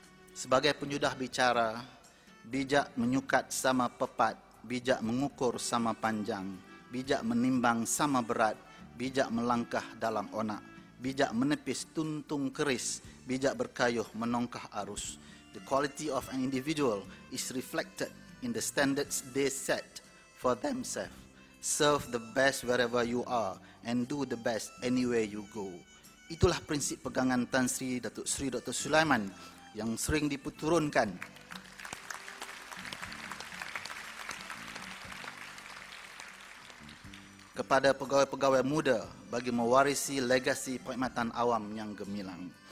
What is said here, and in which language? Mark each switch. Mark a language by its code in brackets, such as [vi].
[ms] Sebagai penyudah bicara, bijak menyukat sama pepat, bijak mengukur sama panjang, bijak menimbang sama berat, bijak melangkah dalam onak, bijak menepis tuntung keris, bijak berkayuh menongkah arus. [en] The quality of an individual is reflected in the standards they set for themselves. Serve the best wherever you are and do the best anywhere you go. [ms] Itulah prinsip pegangan Tan Sri Datuk Sri Dr. Sulaiman yang sering diputurunkan. Kepada pegawai-pegawai muda bagi mewarisi legasi perkhidmatan awam yang gemilang.